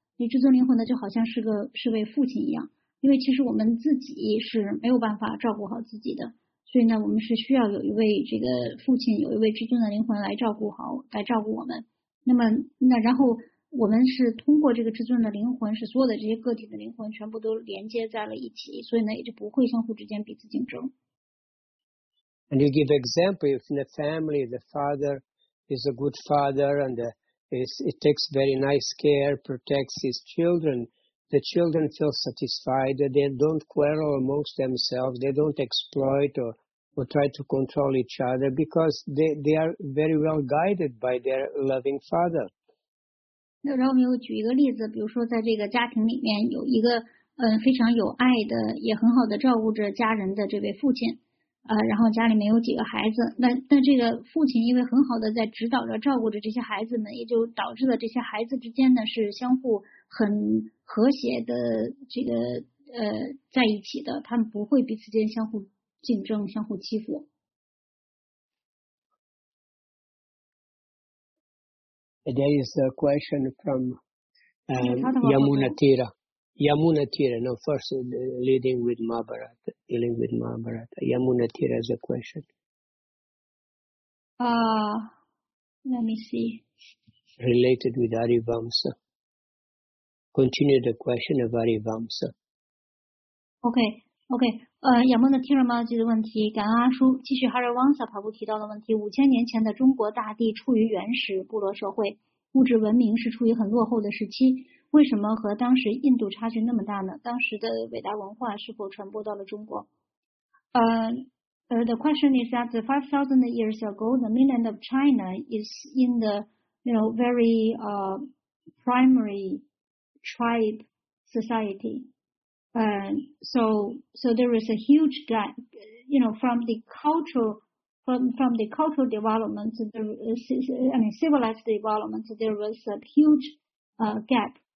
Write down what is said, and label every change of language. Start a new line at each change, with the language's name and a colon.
Chinese: 你至尊灵魂呢就好像是位父亲一样，因为其实我们自己是没有办法照顾好自己的，所以呢我们是需要有一位这个父亲，有一位至尊的灵魂来照顾我们。那然后我们是通过这个至尊的灵魂使所有的这些个体的灵魂全部都连接在了一起，所以呢也就不会相互之间彼此竞争。
English: And you give example, if in the family the father is a good father andIt takes very nice care, protects his children. The children feel satisfied. They don't quarrel amongst themselves. They don't exploit or try to control each other because they are very well guided by their loving father.
Chinese: 那然后我们又举一个例子，比如说在这个家庭里面有一个非常有爱的，也很好的照顾着家人的这位父亲。然后家里面有几个孩子，那这个父亲因为很好的在指导着照顾着这些孩子们，也就导致了这些孩子之间呢是相互很和谐的这个在一起的，他们不会彼此间相互竞争相互欺负。
English: There is a question from Yamunatira, no, first leading with Mahabharata, dealing with Mahabharata. Yamunatira is a question. Let me see. Related with Arivamsa. Continue the question of Arivamsa.
Chinese: Okay. Yamunatira Maharaj 的问题，感恩阿叔。继续 Arivamsa 跑步提到的问题，五千年前的中国大地处于原始部落社会，物质文明是处于很落后的时期。为什么和当时印度差距那么大呢？当时的伟大文化是否传播到了中国？
English: The question is that 5,000 years ago, the mainland of China is in the, you know, very primary tribe society. So there is a huge gap, you know, from the cultural development, civilized development, there was a huge gap.